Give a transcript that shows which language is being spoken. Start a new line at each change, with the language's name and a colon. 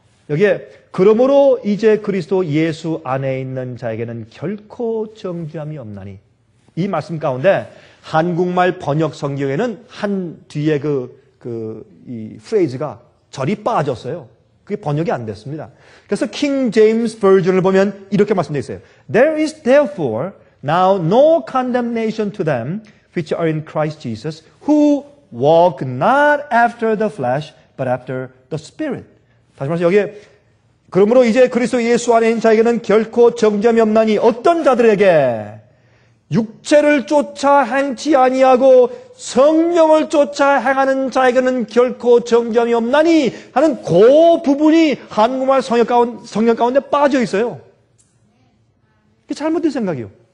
Korean: 여기에 그러므로 이제 그리스도 예수 안에 있는 자에게는 결코 정죄함이 없나니. 이 말씀 가운데 한국말 번역 성경에는 한 뒤에 이 프레이즈가 절이 빠졌어요. 그게 번역이 안 됐습니다. 그래서 킹 제임스 버전을 보면 이렇게 말씀되어 있어요.
English: There is therefore now no condemnation to them which are in Christ Jesus who walk not after the flesh but after the spirit.
Korean: 다시 말해서 여기에 그러므로 이제 그리스도 예수 안에 있는 자에게는 결코 정죄함이 없나니 어떤 자들에게 육체를 쫓아 행치 아니하고 성령을 쫓아 행하는 자에게는 결코 정죄함이 없나니 하는 그 부분이 한국말 성경 가운데 빠져 있어요. 이게 잘못된 생각이요.